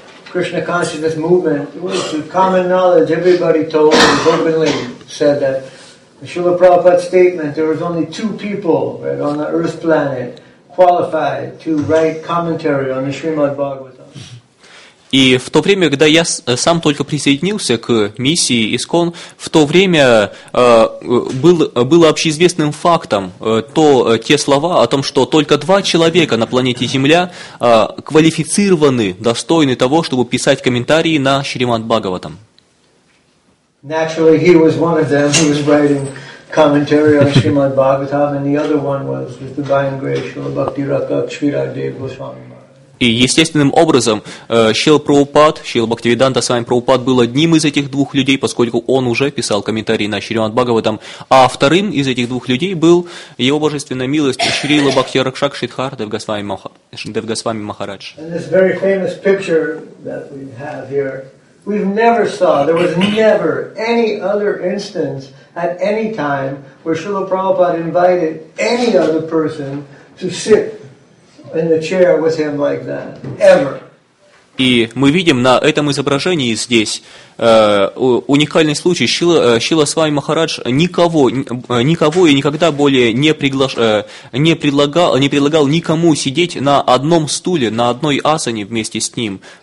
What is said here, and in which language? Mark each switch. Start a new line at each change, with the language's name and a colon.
English: Krishna consciousness movement, it was common knowledge, everybody told and openly said that Srila Prabhupada's statement, there was only two people right, on the earth planet qualified to write commentary on the Srimad Bhagavatam.
Russian: И в то время, когда я сам только присоединился к миссии ИСКОН, в то время было общеизвестным фактом те слова о том, что только два человека на планете Земля квалифицированы, достойны того, чтобы писать комментарии на Шримад Бхагаватам.
English: Naturally, he was one of them, who was writing commentary on Shrimad Bhagavatam, and the other one was the divine grace, Srila Bhakti Rakak, Sridhar Dev Goswami.
Russian: И естественным образом Шрила Прабхупад, Шрила Бхактивиданта Свами Прабхупад был одним из этих двух людей, поскольку он уже писал комментарии на Шримад Бхагаватам, а вторым из этих двух людей был его божественная милость Шрила Бхакти Ракшак Шридхар Дев Госвами Махарадж.
English: And this very famous picture that we have here, we've never saw, there was never any other instance at any time where Shrila Prabhupada invited any other person to sit in the chair with him like that, ever.
Russian: И мы видим на этом изображении здесь уникальный случай. Шрила Свами Махарадж никого и никогда более не предлагал никому сидеть на одном стуле, на одной асане вместе с ним.